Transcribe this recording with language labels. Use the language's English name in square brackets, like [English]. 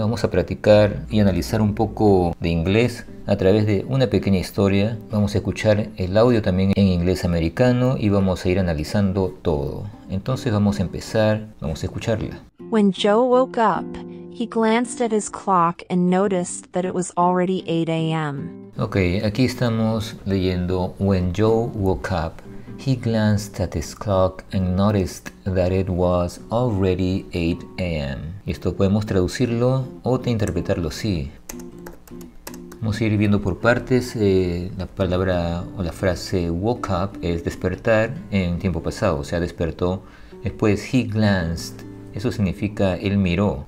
[Spanish] Vamos a practicar y analizar un poco de inglés a través de una pequeña historia. Vamos a escuchar el audio también en inglés americano y vamos a ir analizando todo. Entonces vamos a empezar, vamos a escucharla. [English] When Joe woke up, he glanced at his clock and noticed that it was already 8 a.m. [Spanish] Ok, aquí estamos leyendo [English] When Joe Woke Up. [Spanish] He glanced at his clock and noticed that it was already 8 a.m. Y esto podemos traducirlo o de interpretarlo así. Vamos a ir viendo por partes. La palabra o la frase woke up es despertar en tiempo pasado, o sea, despertó. Después, he glanced. Eso significa él miró.